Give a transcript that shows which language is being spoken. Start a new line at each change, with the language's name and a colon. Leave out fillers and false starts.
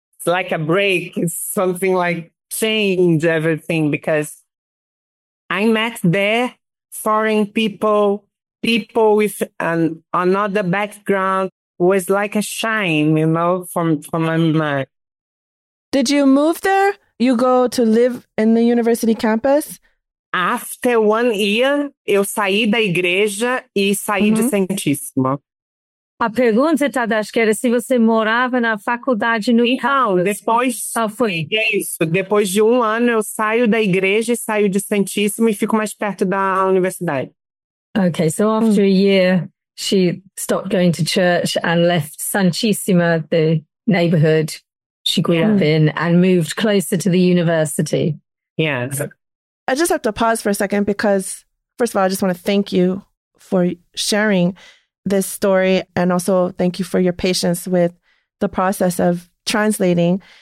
English: Like a break, it's something like change everything, because I met there foreign people with another background. Was like a shine, you know, from my mind. Did you move there? You go to live in the university campus? After 1 year,
Portuguese: eu saí da igreja e saí de Santíssimo. A pergunta, Tadashi, era se você morava na faculdade no campus. Não, depois... Ah, foi. É isso. Depois de 1 ano, eu saio da igreja e saio de Santíssimo e fico mais perto da universidade.
English: Okay, so after a year, she stopped going to church and left Santíssima, the neighborhood she grew up in, and moved closer to the university. Yes. I just have to pause for a second because, first of all, I just want to thank you for sharing this story, and also thank you for your patience with the process of translating.